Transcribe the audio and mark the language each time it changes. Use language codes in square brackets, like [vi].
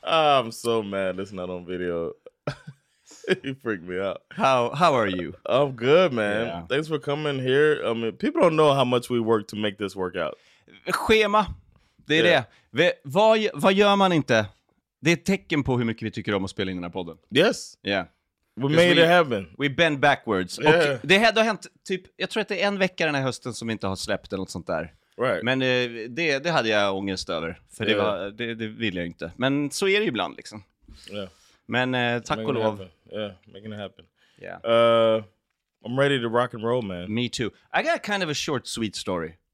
[en] I'm so mad it's not on video. You freaked me out. How are you? I'm good, man. Yeah. Thanks for coming here. I mean, people don't know how much we work to make this work out. [sv] Schema. Det är det. Vad gör man inte? Det är ett tecken på hur mycket vi tycker om att spela in den här podden. [en] Yes. Yeah. We made it happen. We bend backwards. Yeah. [sv] Och det har hänt typ, jag tror att det är en vecka den här hösten som vi inte har släppt eller något sånt där. [en] Right. [sv] Men det hade jag ångest över. För det, var, det ville jag inte. Men så är det ju ibland liksom. [en] Yeah. [sv] Men tack och lov. [en] Happen. Yeah, making it happen. Yeah. I'm ready to rock and roll, man. Me too. I got kind of a short, sweet story.